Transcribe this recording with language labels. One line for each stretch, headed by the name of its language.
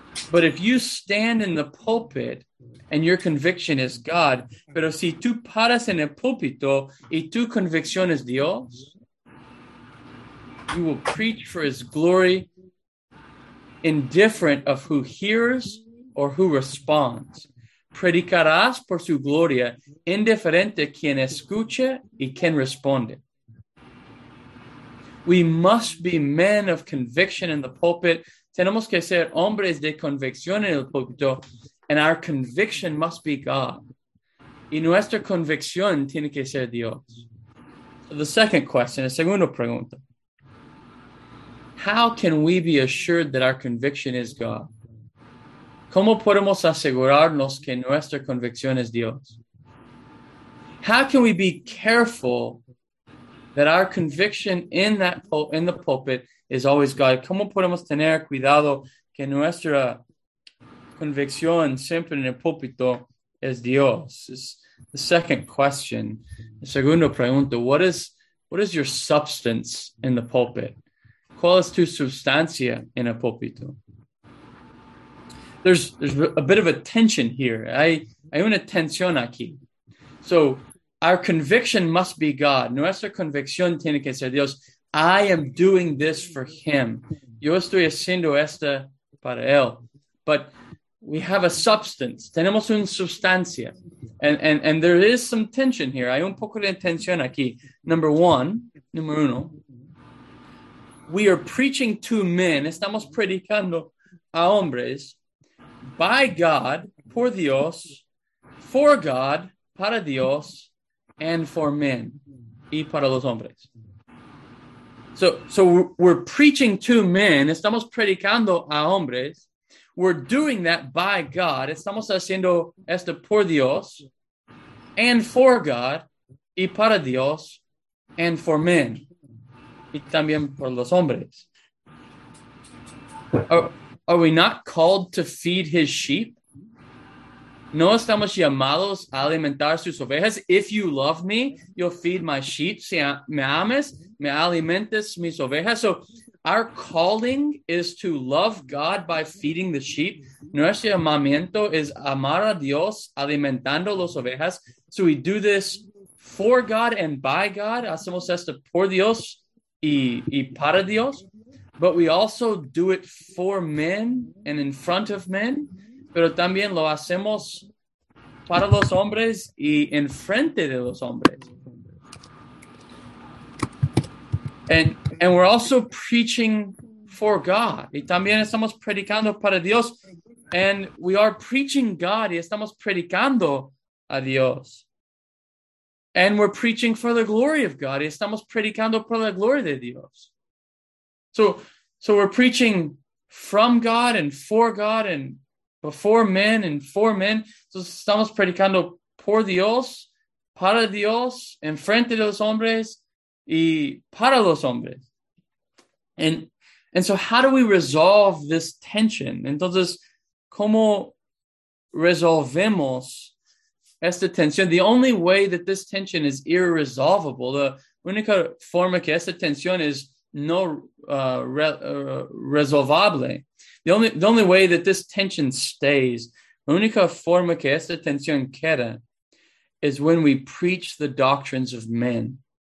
English: But if you stand in the pulpit and your conviction is God,
Spanish: pero si tú paras en el púlpito y tu convicción es Dios,
English: you will preach for his glory, indifferent of who hears or who responds.
Spanish: Predicarás por su gloria, indiferente quien escuche y quien responde.
English: We must be men of conviction in the pulpit.
Spanish: Tenemos que ser hombres de convicción en el púlpito,
English: and our conviction must be God.
Spanish: Y nuestra convicción tiene que ser Dios.
English: So the second question,
Spanish: la segunda pregunta.
English: How can we be assured that our conviction is God?
Spanish: ¿Cómo podemos asegurarnos que nuestra convicción es Dios?
English: How can we be careful that our conviction in the pulpit is always God?
Spanish: ¿Cómo podemos tener cuidado que nuestra convicción siempre en el púlpito es Dios?
English: It's the second question.
Spanish: La segunda pregunta,
English: what is your substance in the pulpit?
Spanish: ¿Cuál es tu sustancia en el púlpito?
English: There's a bit of a tension here.
Spanish: Hay una tensión aquí.
English: So our conviction must be God.
Spanish: Nuestra convicción tiene que ser Dios.
English: I am doing this for him.
Spanish: Yo estoy haciendo esto para él.
English: But we have a substance.
Spanish: Tenemos una sustancia.
English: And there is some tension here.
Spanish: Hay un poco de tensión aquí. Número uno.
English: We are preaching to men.
Spanish: Estamos predicando a hombres.
English: By God,
Spanish: por Dios.
English: For God,
Spanish: para Dios.
English: And for men,
Spanish: y para los hombres.
English: So we're preaching to men,
Spanish: estamos predicando a hombres.
English: We're doing that by God,
Spanish: estamos haciendo esto por Dios,
English: and for God,
Spanish: y para Dios,
English: and for men,
Spanish: y también por los hombres.
English: Are we not called to feed his sheep?
Spanish: No estamos llamados a alimentar sus ovejas.
English: If you love me, you'll feed my sheep.
Spanish: Si me ames, me alimentes mis ovejas.
English: So our calling is to love God by feeding the sheep.
Spanish: Nuestro llamamiento es amar a Dios alimentando las ovejas.
English: So we do this for God and by God.
Spanish: Hacemos esto por Dios y para Dios.
English: But we also do it for men and in front of men.
Spanish: Pero también lo hacemos para los hombres y en frente de los hombres.
English: And we're also preaching for God.
Spanish: Y también estamos predicando para Dios.
English: And we are preaching God
Spanish: y estamos predicando a Dios.
English: And we're preaching for the glory of God
Spanish: y estamos predicando por la gloria de Dios.
English: So we're preaching from God and for God and before men and for men. So
Spanish: estamos predicando por Dios para Dios, en frente de los hombres, y para los hombres.
English: And so how do we resolve this tension?
Spanish: Entonces, ¿cómo resolvemos esta tensión?
English: The only way that this tension is irresolvable, the
Spanish: única forma que esta tensión es no resolvable,
English: the only way that this tension stays,
Spanish: la única forma que esta tensión queda,
English: is when we preach the doctrines of men.